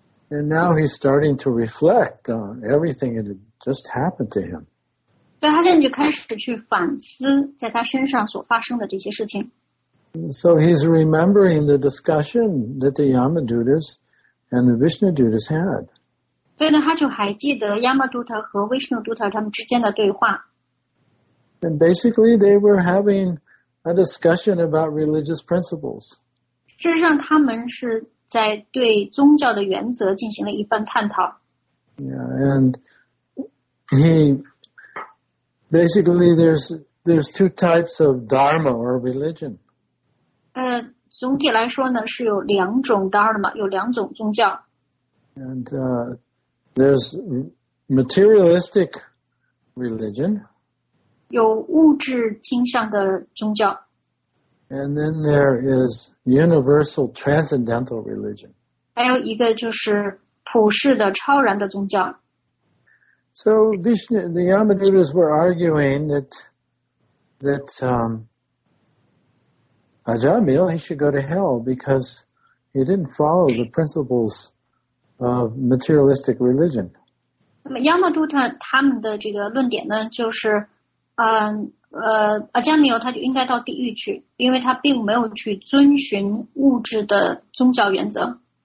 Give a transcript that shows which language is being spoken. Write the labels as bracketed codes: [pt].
[en] And now he's starting to reflect on everything that had just happened to him. [zh] 对，他现在就开始去反思在他身上所发生的这些事情。 [en] So he's remembering the discussion that the Yamadutas and the Vishnudutas had. [zh] 对的，他就还记得 Yamaduta 和 Vishnuduta 他们之间的对话。 [en] And basically they were having a discussion about religious principles. [zh] 事实上他们是在对宗教的原则进行了一番探讨。 [en] Yeah, and basically there's two types of dharma or religion. [zh] 总体来说呢，是有两种 dharma， 有两种宗教。 [en] And there's materialistic religion， [zh] 有物质倾向的宗教。 [en] And then there is universal transcendental religion， [zh] 还有一个就是普世的超然的宗教。 [en] So the Yamadutas were arguing that Ajamil, he should go to hell because he didn't follow the principles of materialistic religion. [zh] 那么 Yamaduta 他们的这个论点呢，就是，Ajamil 他就应该到地狱去，因为他并没有去遵循物质的宗教原则。